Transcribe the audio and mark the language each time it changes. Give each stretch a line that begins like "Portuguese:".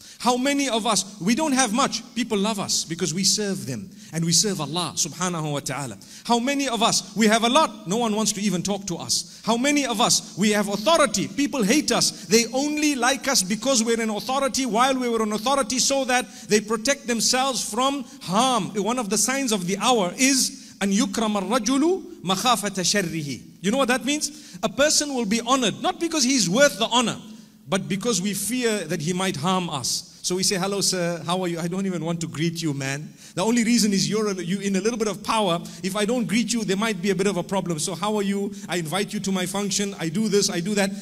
English: How many of us, we don't have much, people love us because we serve them and we serve Allah subhanahu wa ta'ala. How many of us, we have a lot, no one wants to even talk to us. How many of us, we have authority, people hate us. They only like us because we're in authority, while we were in authority, so that they protect themselves from harm. One of the signs of the hour is,
Arabic: أن يكرم الرجل مخافة شره.
English: You know what that means? A person will be honored, not because he's worth the honor, but because we fear that he might harm us. So we say, hello sir, how are you? I don't even want to greet you, man. The only reason is you're in a little bit of power. If I don't greet you, there might be a bit of a problem. So how are you? I invite you to my function. I do this, I do that.